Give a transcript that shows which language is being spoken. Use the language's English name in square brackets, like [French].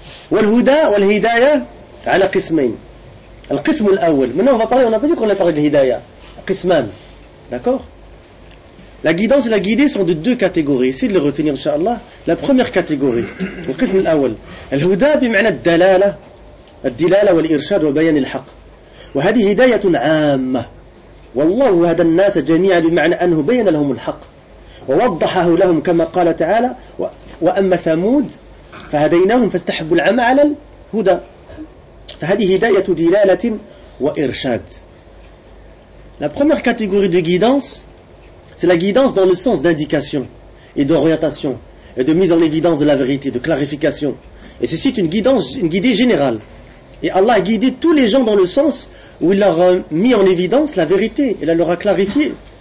[Arabic] والهدى والهداية على قسمين. القسم الاول من هو باري انا بدي كون باري الهداية قسمان داكور. [French] لا guidance et la guidée sont de deux catégories, essayez de les retenir inshallah. La première catégorie, [Arabic] القسم الاول, الهدى بمعنى الدلالة, الدلالة والإرشاد وبيان الحق, وهذه هداية عامة. والله هدى الناس جميعا بمعنى أنه بين لهم الحق ووضحه لهم كما قال تعالى وأما ثمود فهديناهم فاستحبوا العمى على الهدى. فهذه هداية دلالة وإرشاد. [French] La première catégorie de guidance, c'est la guidance dans le sens d'indication et d'orientation et de mise en évidence de la vérité, de clarification. Et ceci est une guidée générale. Et Allah a guidé tous les gens dans le sens où il leur a mis en évidence la vérité. Il leur a clarifié.